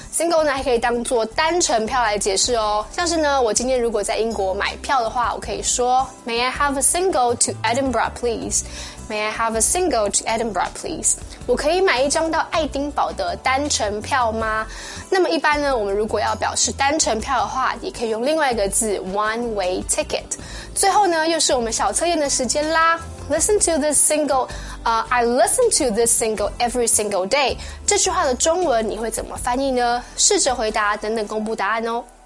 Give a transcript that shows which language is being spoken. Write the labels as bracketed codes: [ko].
[zh] Single 呢还可以当作单程票来解释哦，像是呢我今天如果在英国买票的话，我可以说 [en] May I have a single to Edinburgh please? May I have a single to Edinburgh please? [zh] 我可以买一张到爱丁堡的单程票吗？那么一般呢，我们如果要表示单程票的话，也可以用另外一个字 One way ticket。最后呢又是我们小测验的时间啦。 [en] Listen to this single, I listen to this single every single day. [zh] 这句话的中文你会怎么翻译呢？试着回答，等等公布答案哦。